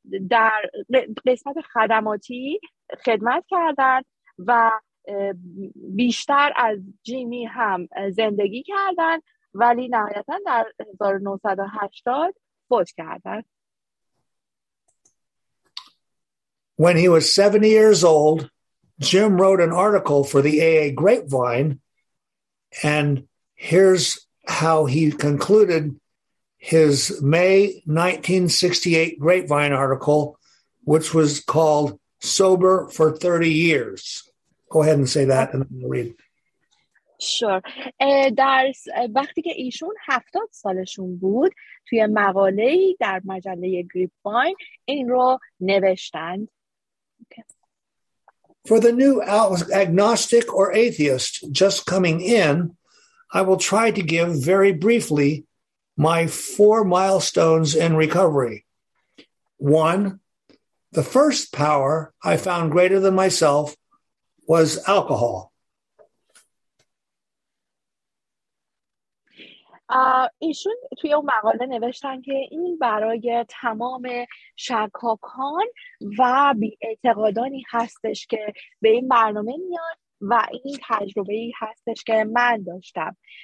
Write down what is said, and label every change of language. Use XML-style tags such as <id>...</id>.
<fa>در قسمت خدماتی خدمت کردند و بیشتر از جیمی هم زندگی کردند، ولی نهایتا در 1980 فوت کردند.</fa> <en>When he was 70 years old, Jim wrote an article for the AA Grapevine, and here's how he concluded his May 1968 Grapevine article, which was called Sober for 30 Years. Go ahead and say that, and then we'll read.</en> <fa>شور در وقتی که ایشون 70 سالشون بود توی مقاله در مجله گریپ واین این رو نوشتند.</fa> <en>For the new agnostic or atheist just coming in, I will try to give very briefly my 4 milestones in recovery. 1. The first power I found greater than myself was alcohol.</en> <fa>ایشون توی اون مقاله نوشتن که این برای تمام شکاکان و بی‌اعتقادانی هستش که به این برنامه میان و این تجربه‌ای هستش که من داشتم.</fa>